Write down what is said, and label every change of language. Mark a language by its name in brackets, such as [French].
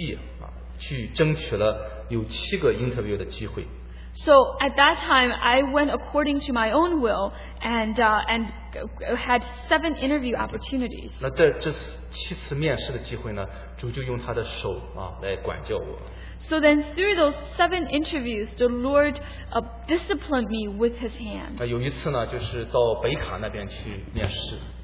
[Chinese] 所以呢，我那时候呢就偏行己意，去争取了。有七个interview的机会。 [English] So at that time, I went according to my own will and had seven interview opportunities. [Chinese] 那这七次面试的机会呢, 主就用他的手来管教我。 [English] So then through those seven interviews, the Lord disciplined me with his hand. [Chinese] 有一次呢, 就是到北卡那边去面试。